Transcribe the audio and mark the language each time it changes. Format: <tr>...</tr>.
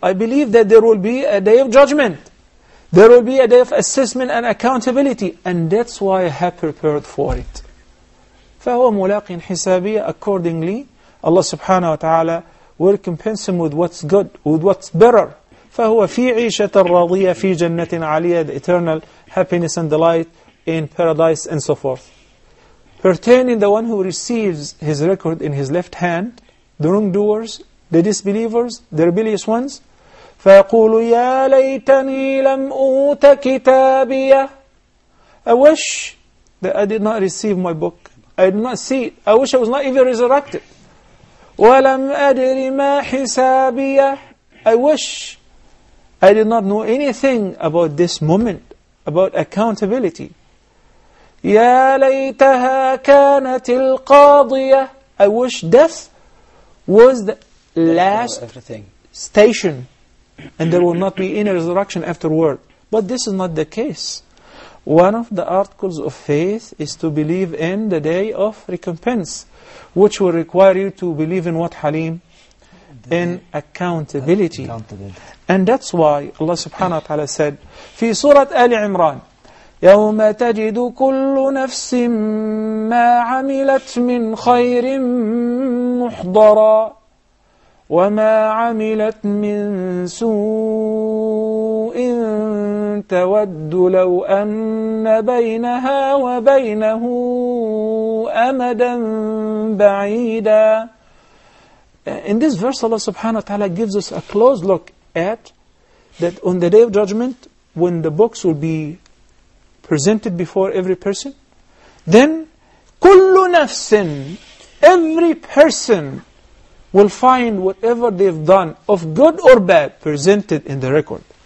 <en>I believe that there will be a day of judgment. There will be a day of assessment and accountability. And that's why I have prepared for it.</en> <ar>فهو ملاق حسابي.</ar> <en>Accordingly, Allah subhanahu wa ta'ala will compense him with what's good, with what's better.</en> <ar>فهو في عيشة الراضية في جنة عالية,</ar> <en>the eternal happiness and delight in paradise and so forth. Pertaining the one who receives his record in his left hand, the wrongdoers, the disbelievers, the rebellious ones,</en> <ar>فَيَقُولُ يَا لَيْتَنِي لَمْ أُوتَ كِتَابِيَ.</ar> <en>I wish that I did not receive my book. I did not see it. I wish I was not even resurrected.</en> <ar>وَلَمْ أَدْرِ مَا حِسَابِيَ.</ar> <en>I wish I did not know anything about this moment, about accountability.</en> <ar>يَا لَيْتَهَا كَانَتِ الْقَاضِيَةِ.</ar> <en>I wish death was the last station and there will not be any resurrection afterward. But this is not the case. One of the articles of faith is to believe in the day of recompense, which will require you to believe in what, Halim? In accountability. And that's why Allah subhanahu wa ta'ala said,</en> <ar>في سورة آل عمران, يوم تجد كل نفس ما عملت من خير محضرا وما عملت من سوء تود لو أن بينها وبينه أمدا بعيدا.</ar> <en>In this verse, Allah subhanahu wa ta'ala gives us a close look at that on the day of judgment, when the books will be presented before every person, then كل نفس, every person will find whatever they've done of good or bad presented in the record.</en>